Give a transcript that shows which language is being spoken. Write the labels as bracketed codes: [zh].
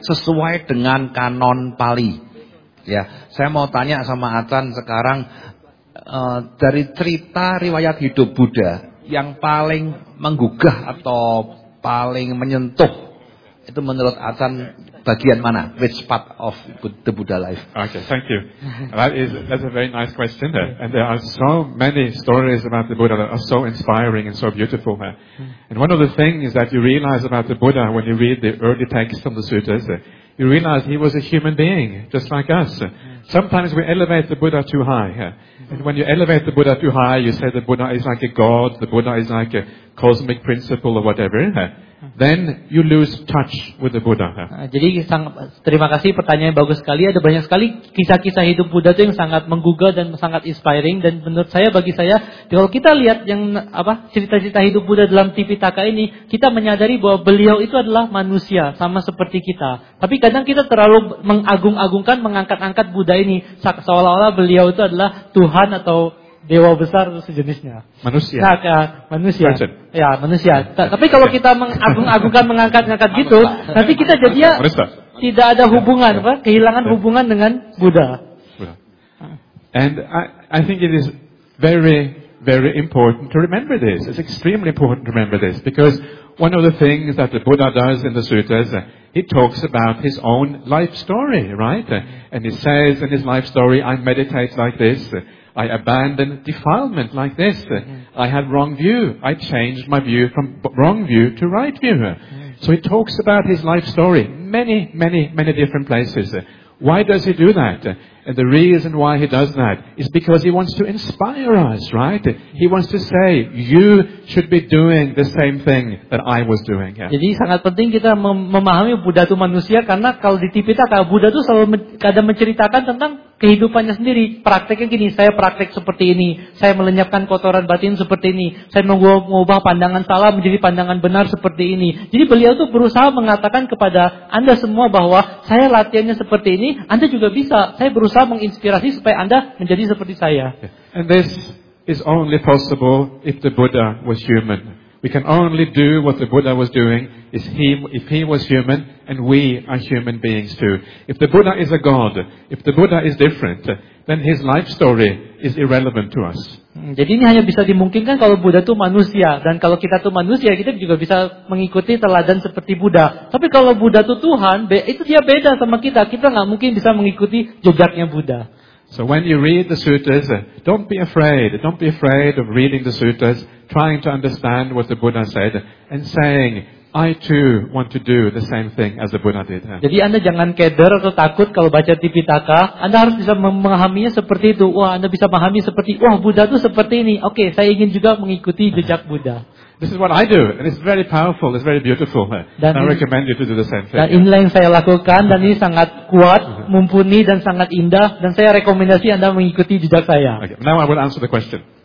[id] Sesuai dengan kanon Pali. Ya, saya mau tanya sama Acan sekarang, dari cerita riwayat hidup Buddha yang paling menggugah atau paling menyentuh itu menurut Acan bagian mana? [en] Which part of the Buddha life? Okay, thank you. That's a very nice question. And there are so many stories about the Buddha that are so inspiring and so beautiful. And one of the things that you realize about the Buddha when you read the early texts from the suttas, you realize he was a human being, just like us. Sometimes we elevate the Buddha too high. And when you elevate the Buddha too high, you say the Buddha is like a god, the Buddha is like a cosmic principle or whatever. Then you lose touch with the Buddha. [id] Jadi terima kasih, pertanyaan bagus sekali. Ada banyak sekali kisah-kisah hidup Buddha itu yang sangat menggugah dan sangat inspiring. Dan menurut saya, bagi saya, kalau kita lihat yang apa cerita-cerita hidup Buddha dalam Tipitaka ini, kita menyadari bahwa beliau itu adalah manusia sama seperti kita. Tapi kadang kita terlalu mengagung-agungkan, mengangkat-angkat Buddha ini seolah-olah beliau itu adalah Tuhan atau dewa besar sejenisnya. Manusia. Manusia. Ya, manusia. Tapi kalau kita mengagung-agungkan, mengangkat-angkat gitu, nanti kita jadi ya tidak ada hubungan, apa? Kehilangan hubungan dengan Buddha. [en] And I think it is very, very important to remember this. It's extremely important to remember this because one of the things that the Buddha does in the suttas, he talks about his own life story, right? And he says in his life story, I meditate like this. I abandoned defilement like this. I had wrong view. I changed my view from wrong view to right view. So he talks about his life story many, many, many different places. Why does he do that? And the reason why he does that is because he wants to inspire us, right? He wants to say, you should be doing the same thing that I was doing. Yeah. [id] Jadi sangat penting kita memahami Buddha itu manusia, karena kalau di Tipitaka, Buddha itu selalu kadang menceritakan tentang kehidupannya sendiri. Prakteknya gini, saya praktek seperti ini, saya melenyapkan kotoran batin seperti ini, saya mengubah pandangan salah menjadi pandangan benar seperti ini. Jadi beliau itu berusaha mengatakan kepada Anda semua bahwa saya latihannya seperti ini, Anda juga bisa, saya berusaha menginspirasi supaya Anda menjadi seperti saya. [en] And this is only possible if the Buddha was human. We can only do what the Buddha was doing if he was human, and we are human beings too. If the Buddha is a god, if the Buddha is different, then his life story is irrelevant to us. [id] Jadi ini hanya bisa dimungkinkan kalau Buddha itu manusia, dan kalau kita itu manusia, kita juga bisa mengikuti teladan seperti Buddha. Tapi kalau Buddha itu Tuhan, itu dia beda sama kita. Kita enggak mungkin bisa mengikuti jejaknya Buddha. [en] So when you read the suttas, don't be afraid. Don't be afraid of reading the suttas, trying to understand what the Buddha said, and saying, I too want to do the same thing as the Buddha did. [id] Jadi Anda jangan keder atau takut kalau baca Tipitaka. Anda harus bisa memahaminya seperti itu. Wah, Anda bisa memahami seperti, wah, Buddha itu seperti ini. Oke, okay, saya ingin juga mengikuti jejak Buddha. [en] This is what I do, and it's very powerful, it's very beautiful. Dan I recommend you to do the same thing. [id] Dan inilah yang saya lakukan, dan ini sangat kuat, mumpuni, dan sangat indah, dan saya rekomendasi Anda mengikuti jejak saya. [en] Okay, now I will answer the question.